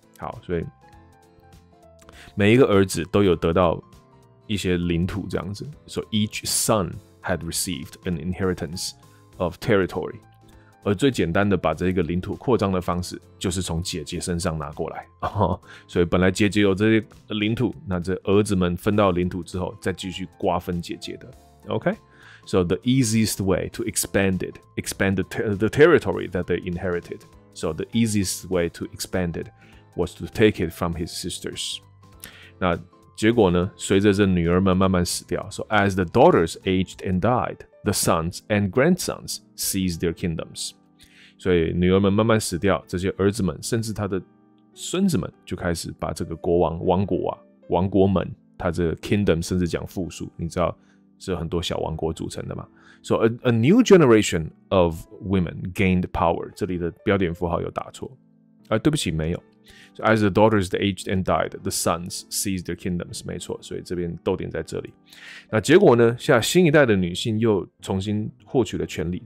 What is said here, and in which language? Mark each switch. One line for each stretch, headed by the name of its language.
Chinese: 好，所以每一个儿子都有得到一些领土这样子 ，
English: so each son had received an inheritance of territory.
Chinese: 而最简单的把这个领土扩张的方式，就是从姐姐身上拿过来。所以本来姐姐有这些领土，那这儿子们分到领土之后，再继续瓜分姐姐的。
English: OK， so the easiest way to expand it, expand the territory that they inherited. So the easiest way to expand it was to take it from his sisters.
Chinese: 那结果呢？随着这女儿们慢慢死掉 ，
English: so as the daughters aged and died. The sons and grandsons seize their kingdoms.
Chinese: 所以女儿们慢慢死掉，这些儿子们甚至他的孙子们就开始把这个国王、王国啊、王国们，他这个 kingdom 甚至讲复数，你知道是很多小王国组成的嘛 ？
English: So a new generation of women gained power.
Chinese: 这里的标点符号有打错啊？对不起，没有。
English: So as the daughters aged and died, the sons seized their kingdoms.
Chinese: 没错，所以这边逗点在这里。那结果呢？下新一代的女性又重新获取了权利。